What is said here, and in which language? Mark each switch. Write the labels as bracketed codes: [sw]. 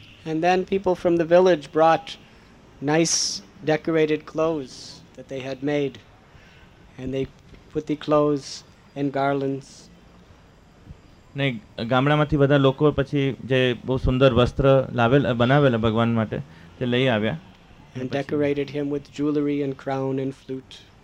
[en] And then people from the village brought nice decorated clothes that they had made, and they put the clothes in garlands. [gu] ને ગામડામાંથી બધા લોકો પછી જે બહુ સુંદર વસ્ત્ર લાવેલ બનાવેલા ભગવાન માટે તે લઈ આવ્યા. [en] And decorated him with jewelry and crown and flute.